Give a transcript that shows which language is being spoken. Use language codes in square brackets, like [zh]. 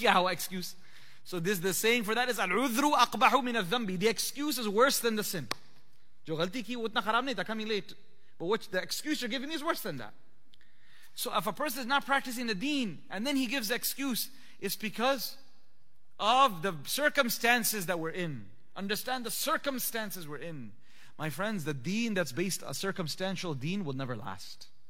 [en] Excuse. So this, the saying for that is [ar] al-udhru aqbahu min al-dhambi. [en] The excuse is worse than the sin. [ur] جو غلطی کی اتنا خراب نہیں تھا, [en] coming late. But what the excuse you're giving me is worse than that. So if a person is not practicing the deen and then he gives the excuse, it's because of the circumstances that we're in. Understand the circumstances we're in. My friends, the deen that's based on a circumstantial deen will never last.